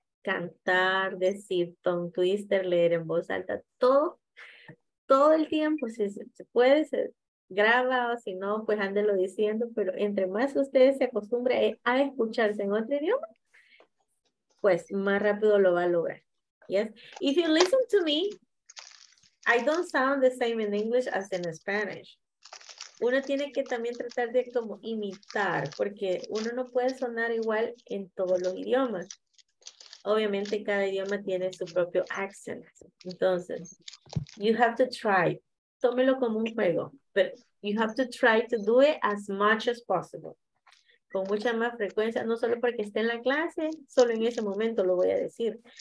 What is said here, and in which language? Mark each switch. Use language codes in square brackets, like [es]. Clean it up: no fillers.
[es] Cantar, decir, [en] tongue twister, [es] leer en voz alta, todo. Todo el tiempo, si se puede, se graba, o si no, pues ándelo diciendo, pero entre más ustedes se acostumbren a escucharse en otro idioma, pues más rápido lo va a lograr. [en] Yes. If you listen to me, I don't sound the same in English as in Spanish. [es] Uno tiene que también tratar de como imitar, porque uno no puede sonar igual en todos los idiomas. Obviamente, cada idioma tiene su propio accent. Entonces, [en] you have to try. [es] Tómelo como un juego. [en] But you have to try to do it as much as possible. [es] Con mucha más frecuencia. No solo porque esté en la clase, solo en ese momento lo voy a decir.